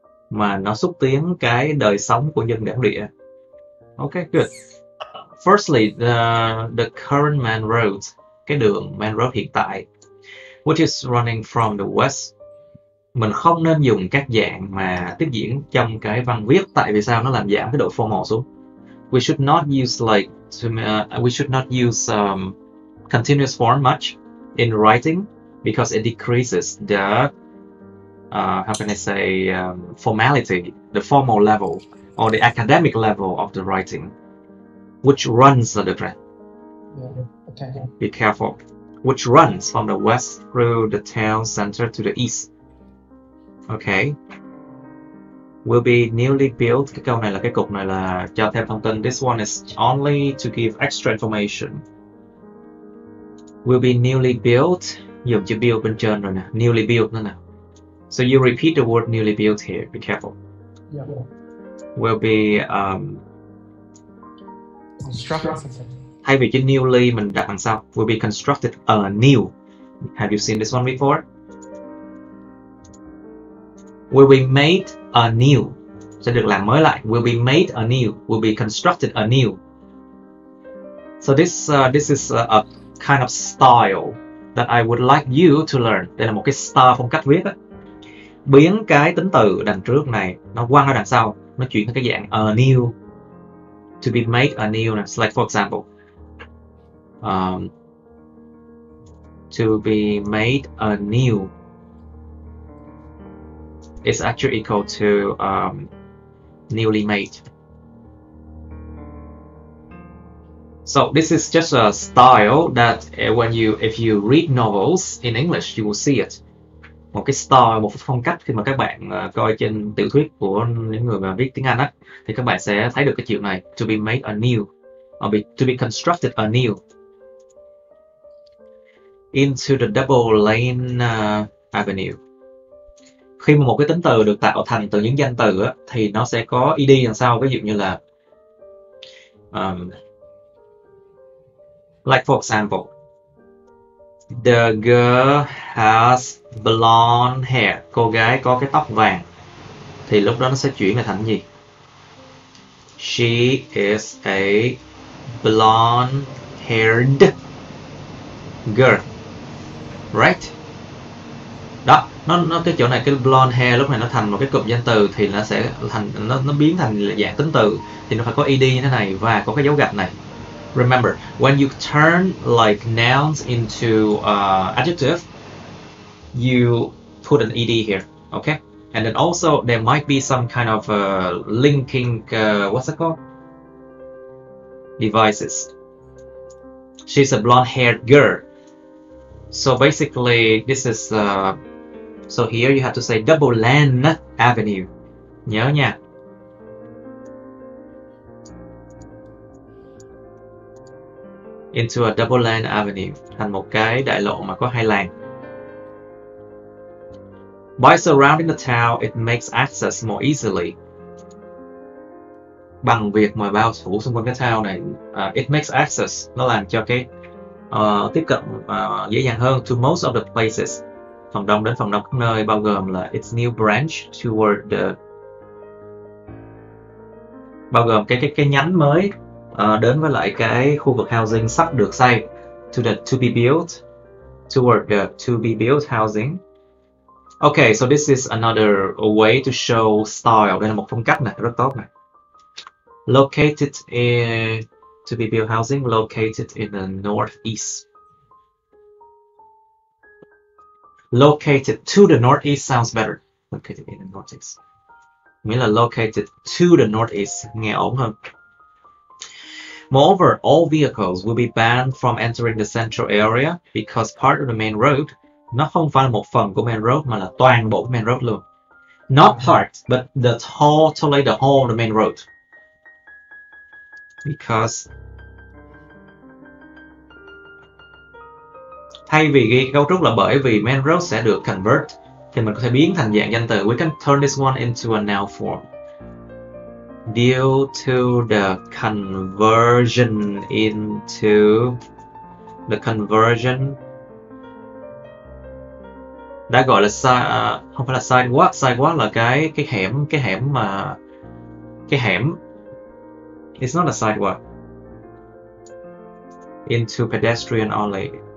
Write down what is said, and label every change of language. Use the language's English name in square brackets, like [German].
[Vietnamese] Mà nó xúc tiến cái đời sống của dân bản địa. [English] Okay, good. Firstly, the current main road, [Vietnamese] cái đường main road hiện tại, [English] which is running from the west. [Vietnamese] Mình không nên dùng các dạng mà tiếp diễn trong cái văn viết, tại vì sao nó làm giảm cái độ formal xuống. [English] We should not use like to, we should not use continuous form much in writing because it decreases the how can I say formality, the formal level or the academic level of the writing, which runs the okay. Be careful, which runs from the west through the town center to the east. Okay. Will be newly built. [Vietnamese] Cái câu này là cái cục này là cho thêm thông tin. [English] This one is only to give extra information. Will be newly built. [Vietnamese] Dùng chữ build bên trên rồi nè. Newly built nữa nè. [English] So you repeat the word newly built here. Be careful. Yeah. Will be constructed. [Vietnamese] Thay vì chữ newly mình đặt đằng sau. [English] Will be constructed anew. Have you seen this one before? Will be made anew, [Vietnamese] sẽ được làm mới lại. [English] Will be made anew, will be constructed anew. So this is a kind of style that I would like you to learn. [Vietnamese] Đây là một cái style, phong cách viết á. Biến cái tính từ đằng trước này, nó quăng ở đằng sau, nó chuyển thành cái dạng anew. [English] To be made anew, it's like for example. To be made anew. It's actually equal to newly made. So this is just a style that when you, if you read novels in English, you will see it. [Vietnamese] Một cái style, một phong cách khi mà các bạn coi trên tiểu thuyết của những người mà viết tiếng Anh á, thì các bạn sẽ thấy được cái chuyện này. [English] To be made anew, or be, to be constructed anew. Into the double lane avenue. [Vietnamese] Khi mà một cái tính từ được tạo thành từ những danh từ á, thì nó sẽ có ed đằng sau, ví dụ như là [English] like for example, the girl has blonde hair, [Vietnamese] cô gái có cái tóc vàng, thì lúc đó nó sẽ chuyển thành gì? [English] She is a blonde haired girl, right? [Vietnamese] Đó, nó cái chỗ này, cái blonde hair lúc này nó thành một cái cụm danh từ, thì nó sẽ thành, nó biến thành dạng tính từ, thì nó phải có ed như thế này và có cái dấu gạch này. [English] Remember, when you turn like nouns into adjective, you put an ed here, okay? And then also there might be some kind of linking what's it called? Devices. She's a blonde haired girl. So basically this is so here you have to say double lane avenue. [Vietnamese] Nhớ nha. [English] Into a double lane avenue, [Vietnamese] thành một cái đại lộ mà có hai làn. [English] By surrounding the town, it makes access more easily. [Vietnamese] Bằng việc mà bao phủ xung quanh cái town này, [English] it makes access, [Vietnamese] nó làm cho cái tiếp cận dễ dàng hơn [English] to most of the places. [Vietnamese] Phần đông đến phần đông các nơi, bao gồm là [English] its new branch toward the, [Vietnamese] bao gồm cái nhánh mới đến với lại cái khu vực housing sắp được xây, [English] to the to be built, toward the to be built housing. Okay, so this is another way to show style. [Vietnamese] Đây là một phong cách này rất tốt này. [English] Located in to be built housing, located in the northeast. Located to the northeast sounds better. Located in the northeast. [Vietnamese] Nghĩa là [English] located to the northeast [Vietnamese] nghe ổn hơn. [English] Moreover, all vehicles will be banned from entering the central area because part of the main road [Vietnamese] nó không phải là một phần của main road mà là toàn bộ main road luôn. [English] Not part, but the totally the whole the main road. [Vietnamese] Because thay vì ghi cấu trúc là bởi vì main road sẽ được convert, thì mình có thể biến thành dạng danh từ. [English] We can turn this one into a noun form. Due to the conversion into the conversion [Vietnamese] đã gọi là không phải là sidewalk là cái hẻm [English] mà cái hẻm, it's not a sidewalk, into pedestrian only.